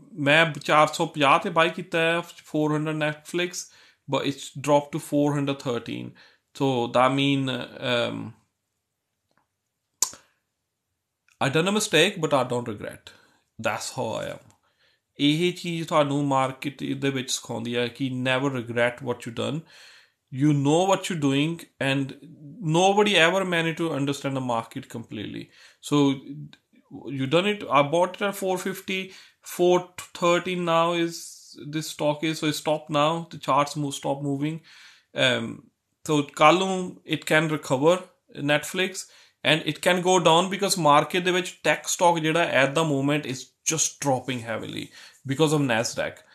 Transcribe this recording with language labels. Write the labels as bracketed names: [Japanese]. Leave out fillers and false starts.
[Punjabi] Main 450 buy kita hai, 400 Netflix. [English] But it's dropped to 413. So that mean I done a mistake, but I don't regret. That's how I am. [Punjabi] ਇਹ ਚੀਜ਼ ਤੁਹਾਨੂੰ market ਦੇ ਵਿੱਚ ਸਿਖਾਉਂਦੀ ਹੈ ਕਿ [English] Never regret what you done. You know what you doing and nobody ever manage to understand the market completely. So you done it. I bought it at 450, 413 now is this stock is, so it stop now. The charts move stop moving. So [Punjabi] kalun [English] it can recover Netflix, and it can go down because [Punjabi] market de vich [English] tech stock [Punjabi] jada [English] at the moment is just dropping heavily because of Nasdaq.